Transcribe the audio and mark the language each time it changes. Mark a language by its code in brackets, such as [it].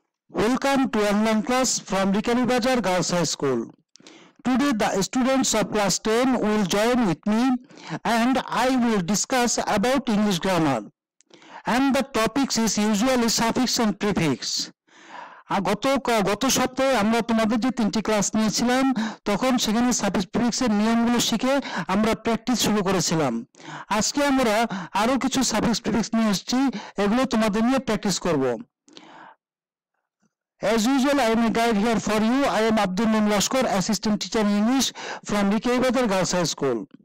[en] Welcome to online class from Rikani Bazar Girls High School. Today the students of class 10 will join with me and I will discuss about English grammar. And the topics is usually suffix and prefix. [bn] গত সপ্তাহে আমরা তোমাদের যে তিনটি class নিয়েছিলাম তখন সেখানে suffix প্রিফিক্সের নিয়মগুলো শিখে আমরা প্র্যাকটিস শুরু করেছিলাম। আজকে আমরা আরো কিছু সাফিক্স প্রিফিক্স নিয়ে এসেছি, এগুলো তোমাদের নিয়ে প্র্যাকটিস করব। [en] As usual, I am a guide here for you. I am Abdul Mumin Lashkar, assistant teacher in English from Rikai Bazar Girls High School.